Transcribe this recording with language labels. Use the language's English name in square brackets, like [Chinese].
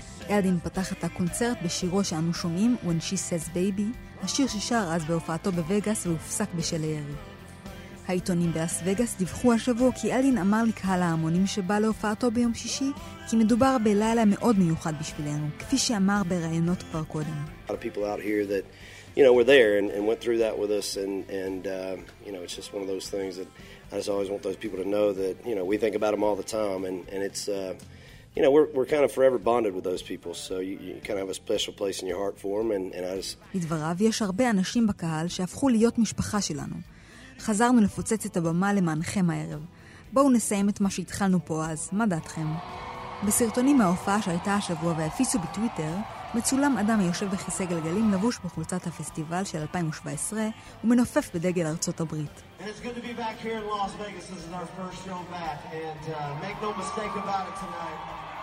[Hebrew] אלאדין פתח את הקונצרט בשירו שאנו שומעים When She Says Baby, השיר ששר אז בהופעתו בווגאס והופסק בשל הירי. העיתונים בלס וגאס דיווחו השבוע כי אלאדין אמר לקהל ההמונים שבא להופעתו ביום שישי כי מדובר בלילה מאוד מיוחד בשבילנו, כפי שאמר בראיונות כבר קודם. [English] A lot of people out here that, you know, were there and went through that with us and you know, it's just one of those things that I just always want those people to know that, you know, we think about them all the time and it's you know, we're kind of forever bonded with those people, so you kind of have a special place in your heart for them and I just [Hebrew] לדבריו יש הרבה אנשים בקהל שהפכו להיות משפחה שלנו. חזרנו לפוצץ את הבמה למענכם הערב. בואו נסיים את מה שהתחלנו פה אז. מה דעתכם? בסרטונים מההופעה שהייתה השבוע והפיצו בטוויטר, מצולם אדם יושב בכיסא גלגלים לבוש בחולצת הפסטיבל של 2017 ומנופף בדגל ארצות הברית. [English] It's good to be back here in Las Vegas. This is our first show back. And make no mistake about it tonight.